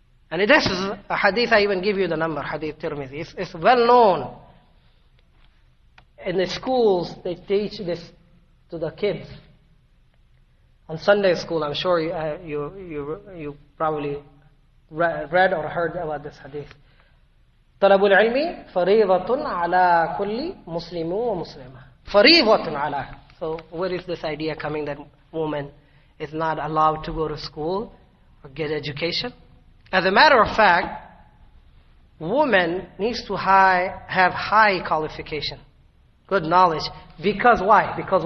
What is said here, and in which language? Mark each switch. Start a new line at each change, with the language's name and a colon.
English: And this is a hadith, I even give you the number, hadith Tirmidhi. It's well known. In the schools, they teach this to the kids. On Sunday school, I'm sure you probably read or heard about this hadith.
Arabic: طلب العلم فريضة على كل مسلم ومسلمة. فريضة على.
English: So where is this idea coming that woman is not allowed to go to school or get education? As a matter of fact, woman needs to have high qualification, good knowledge. Because why?